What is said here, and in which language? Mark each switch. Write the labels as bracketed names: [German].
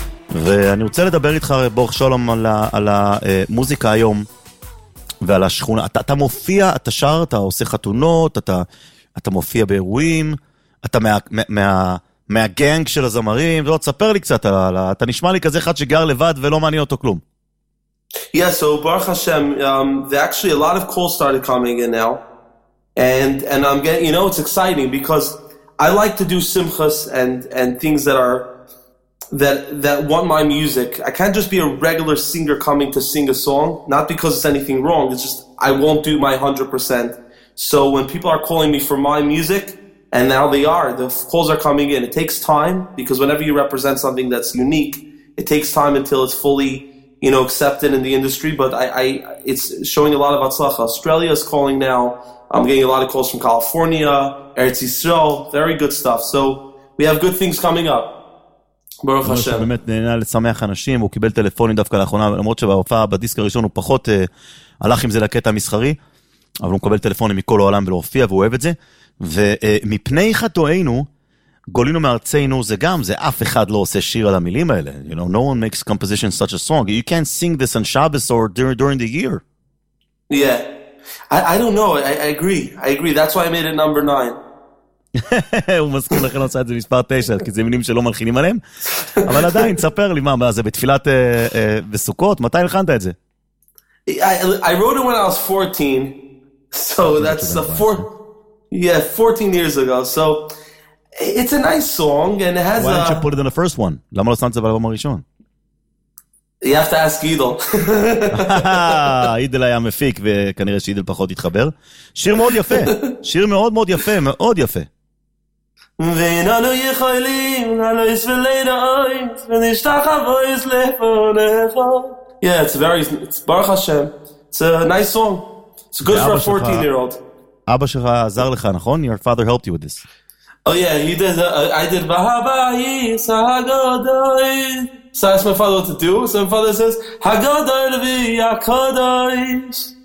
[Hebrew] ואני רוצה לדבר איתך, ברוך שלום, על המוזיקה היום ועל השכונה. אתה מופיע, אתה שר, אתה עושה חתונות, אתה מופיע באירועים, אתה מהגנג של הזמרים, לא, תספר לי קצת, אתה נשמע לי כזה אחד שגר לבד ולא מעניין אותו כלום. [English] Yeah, so Baruch Hashem, actually a lot of calls started coming in now. And I'm getting, you know, it's exciting because I like to do simchas and things that are, that want my music. I can't just be a regular singer coming to sing a song, not because it's anything wrong. It's just, I won't do my 100%. So when people are calling me for my music, and now they are, the calls are coming in. It takes time because whenever you represent something that's unique, it takes time until it's fully, you know, accepted in the industry. But I it's showing a lot of atzlacha. Australia is calling now. I'm getting a lot of calls from California, Eretz Yisrael, very good stuff. So we have good things coming up. Baruch Hashem. [Hebrew] באמת נהנה לשמח אנשים, הוא קיבל טלפונים דווקא לאחרונה, למרות שבהופעה בדיסק הראשון הוא פחות הלך עם זה לקטע המסחרי, אבל הוא מקבל טלפונים מכל העולם ולהופיע, והוא אוהב את זה. ומפני חטואינו, גולינו מארצנו, זה גם, זה אף אחד לא עושה שיר על המילים האלה. [English] You know, no one makes composition such a song. You can't sing this on Shabbos or during the year. Yeah. I don't know, I agree, that's why I made it number 9. [Hebrew] הוא מזכיר לכן עושה את זה מספר 9, כי זה מינים שלא מלחינים עליהם. אבל עדיין, תספר לי מה זה, בתפילת בסוכות, מתי הלחנת את זה? [English] I wrote it when I was 14, so that's 14 years ago, so it's a nice song, and it has a... Why didn't you put it in the first one? [Hebrew] למה לא שמת את זה באלבום הראשון? [English] You have to ask Idol. [Hebrew] Idol היה מפיק, וכנראה שאידל פחות התחבר. שיר מאוד יפה. שיר מאוד מאוד יפה, מאוד יפה. ואיננו יכולים ללויס ולדעים ונשתח הבויס לפונך. [English] Yeah, it's Baruch Hashem. It's a nice song. It's good for a 14-year-old. אבא שלך עזר לך, נכון? Your father helped you with this. Oh yeah, you did. I did. Vahabai sagodai. So I asked my father what to do. So my father says, "Hagodai levi yakodaiish."